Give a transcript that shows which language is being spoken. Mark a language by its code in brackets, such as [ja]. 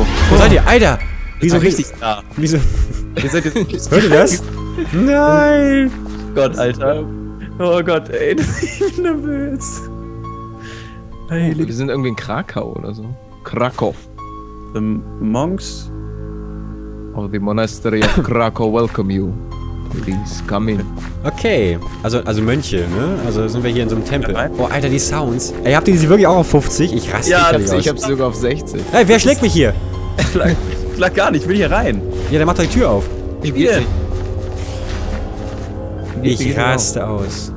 [de] Wo seid ihr? Alter! Wieso richtig da? Wieso? Ihr seid jetzt. Hört ihr das? Nein! Gott, Alter. Oh Gott, ey, ich bin nervös. Wir sind irgendwie in Krakau oder so. [en] Krakow. The monks of the monastery of Krakow welcome you. Please come in. [de] Okay, also Mönche, ne? Also sind wir hier in so einem Tempel. Oh, Alter, die Sounds. Ey, habt ihr die wirklich auch auf 50? Ich raste ja, nicht. Ja, ich hab sie sogar auf 60. Ey, wer schlägt mich hier? Schlag gar nicht, ich will hier rein. Ja, dann macht doch die Tür auf. Ich will. Ich raste aus.